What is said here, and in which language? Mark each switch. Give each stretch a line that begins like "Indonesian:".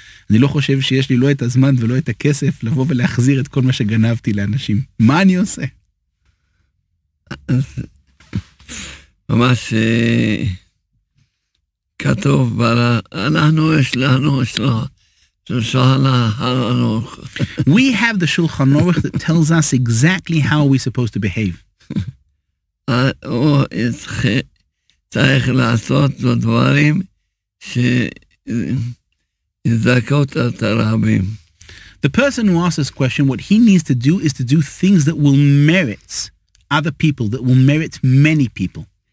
Hebrew: אני לא חושב שיש לי לא את הזמן ולא את הכסף לבוא ולהחזיר את כל מה שגנבתי לאנשים. מה אני עושה? ממש כתוב, אנחנו יש לנו שולחן ערוך.
English: We have the שולחן ערוך that tells us exactly how we're supposed to behave.
Hebrew: הוא צריך לעשות לו דברים שיזכות את הרבים.
English: The person who asks this question, what he needs to do is to do things that will merit other people, that will merit many people.